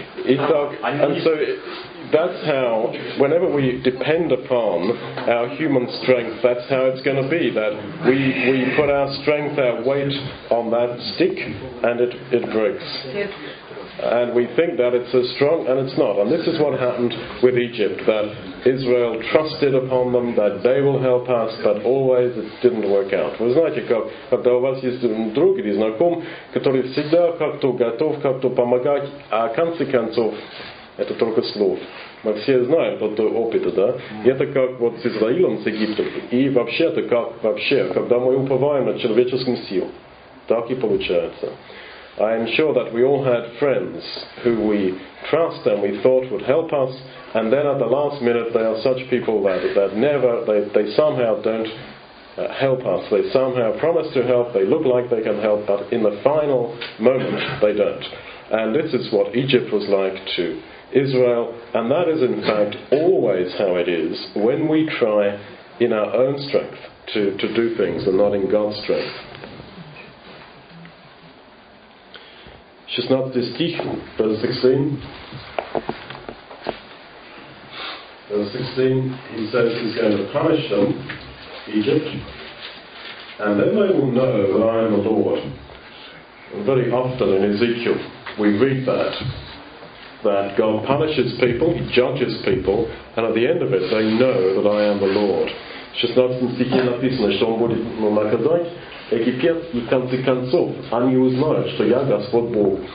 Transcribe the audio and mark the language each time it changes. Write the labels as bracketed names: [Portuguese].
[Russian] Итак, [English] and so that's how, whenever we depend upon our human strength, that's how it's going to be, that we put our strength, our weight on that stick, and it breaks. And we think that it's as strong, and it's not. And this is what happened with Egypt, that Israel trusted upon them, that they will help us, but always it didn't work out. [Russian] Вы знаете, когда у вас есть друг или знаком, который всегда как-то готов как-то помогать, а в конце концов, это только слов. Мы все знаем тот опыт, да? И это как вот с Израилем, с Египтом. И вообще-то, как вообще, когда мы уповаем на человеческую силу, так и получается. [English] I am sure that we all had friends who we trust and we thought would help us, and then at the last minute they are such people that they somehow don't help us. They somehow promise to help, they look like they can help, but in the final moment they don't. And this is what Egypt was like to Israel, and that is in fact always how it is when we try in our own strength to do things and not in God's strength. [Russian] 16 стих, [English] verse 16. Verse 16, he says he's going to punish them, Egypt, and then they will know that I am the Lord. Very often in Ezekiel, we read that God punishes people, he judges people, and at the end of it, they know that I am the Lord. [Russian] 16 стихе написано, что он будет наказать Египет, и в конце концов они узнают, что я Господь Бог.